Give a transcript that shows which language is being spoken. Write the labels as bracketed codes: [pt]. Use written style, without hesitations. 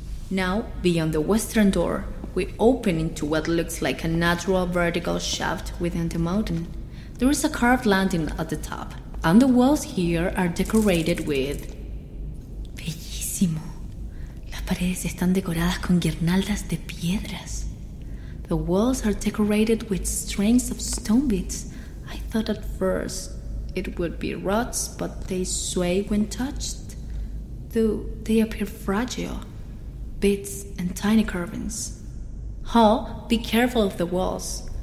[en] Now, beyond the western door, we open into what looks like a natural vertical shaft within the mountain. There is a carved landing at the top, and the walls here are decorated with... [es] Bellísimo. Las paredes están decoradas con guirnaldas de piedras. [en] The walls are decorated with strings of stone beads. I thought at first it would be rods, but they sway when touched. Though they appear fragile. Bits and tiny carvings. Hall, be careful of the walls.